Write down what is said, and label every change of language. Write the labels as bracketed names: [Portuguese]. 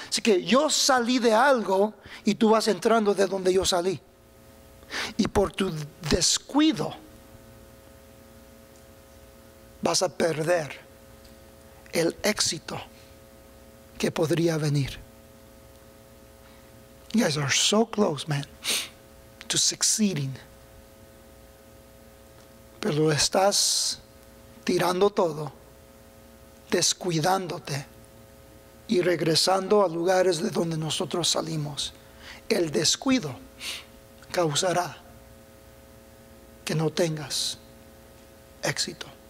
[Spanish] Así que yo salí de algo y tú vas entrando de donde yo salí. Y por tu descuido vas a perder el éxito que podría venir. [English] You guys are so close, man, to succeeding. [Spanish] Pero estás tirando todo, descuidándote y regresando a lugares de donde nosotros salimos. El descuido causará que no tengas éxito.